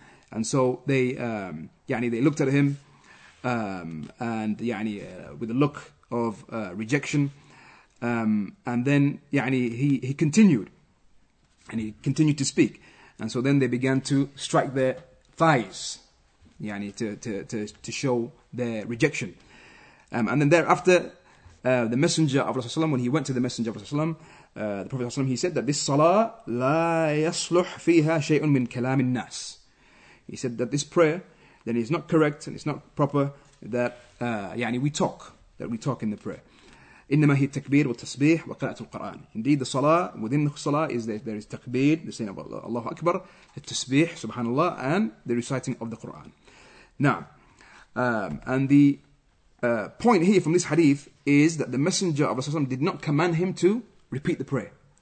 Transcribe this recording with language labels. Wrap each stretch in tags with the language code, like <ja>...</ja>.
<en>And so they, يعني, they looked at him, and يعني with a look of rejection, and then يعني he continued to speak, and so then they began to strike their thighs, يعني to show their rejection, and then thereafter the Messenger of Allah, when he went to the Messenger of Allah, the Prophet, he said that this salah la yasluh fiha shay'un min kalam al-nas. He said that this prayer, then it's not correct and it's not proper that يعني we talk in the prayer.</en> <ar>إنما هي التكبير والتسبيح وقراءة القرآن.</ar> <en>Indeed, the salah, within the salah is there is takbir, the saying of Allah Akbar, the tasbih, subhanallah, and the reciting of the Quran. Now, and the point here from this hadith is that the Messenger of Allah did not command him to repeat the prayer.</en>